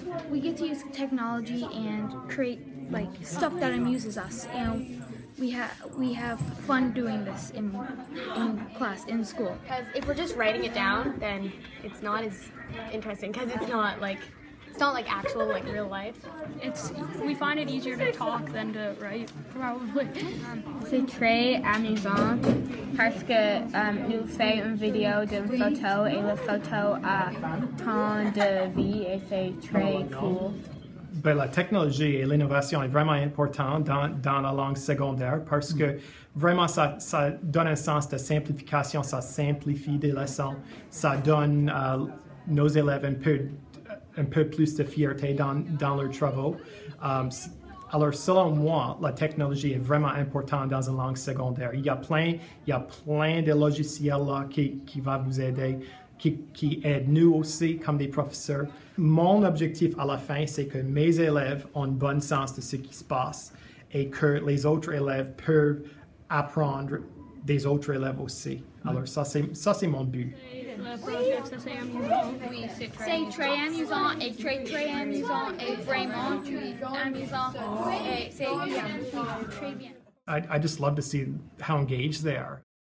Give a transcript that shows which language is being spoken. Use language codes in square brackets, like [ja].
[en] We get to use technology and create like stuff that amuses us, and we have fun doing this in class, in school. Because if we're just writing it down, then it's not as interesting, because it's not like actual, like, real life. We find it easier to talk than to write, probably. [fr] C'est très amusant, parce que nous fait une vidéo d'une photo, et la photo a tant de vie, et c'est très cool. Ben, la technologie et l'innovation est vraiment important dans la langue secondaire parce que vraiment ça donne un sens de simplification, ça simplifie des leçons, ça donne à nos élèves un peu plus de fierté dans leurs travaux. Alors selon moi, la technologie est vraiment importante dans une langue secondaire. Il y a plein de logiciels là qui va vous aider. Qui aident nous aussi comme des professeurs. Mon objectif à la fin, c'est que mes élèves ont un bon sens de ce qui se passe et que les autres élèves peuvent apprendre des autres élèves aussi. Alors ça c'est mon but. C'est très amusant et très amusant et vraiment amusant et c'est très bien. [en] I just love to see how engaged they are.